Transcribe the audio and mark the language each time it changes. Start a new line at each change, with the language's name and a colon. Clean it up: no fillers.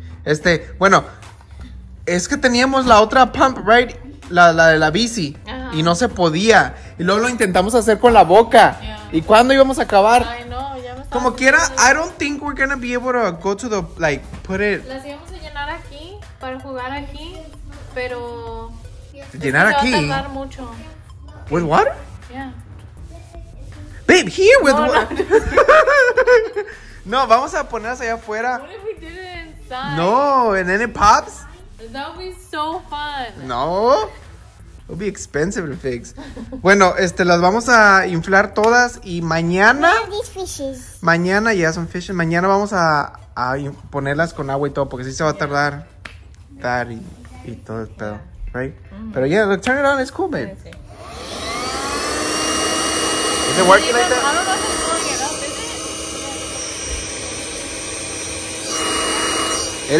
Spanish: Este, bueno, es que teníamos la otra
English: pump, right?
Spanish: La de la bici. Uh-huh. Y no se podía. Y luego lo intentamos hacer con la boca.
English: Yeah.
Spanish: ¿Y cuándo íbamos a acabar? Ay, no, ya me estaba. Como quiera,
English: I don't think we're gonna be able to go to the, like, put it.
Spanish: Las íbamos a llenar aquí para jugar aquí, pero. ¿Llenar es que aquí? Va a tardar mucho.
English: ¿With water? Yeah. Babe, here with water.
Spanish: No, vamos a ponerlas allá afuera.
English: What if we did it inside? No, and then it pops. That would be so fun. No. It would be expensive to fix.
Spanish: Bueno, este, las vamos a inflar todas y mañana.
English: What are these fishes?
Spanish: Mañana, ya, yeah, son fishes. Mañana vamos a ponerlas con agua y todo, porque sí se va a tardar.
English: Yeah. That
Spanish: y todo el pedo.
English: Yeah. Right? Mm-hmm. Pero yeah, look, turn it on. It's cool, babe. Okay. Is it working like that? I don't know if it's going up, is it?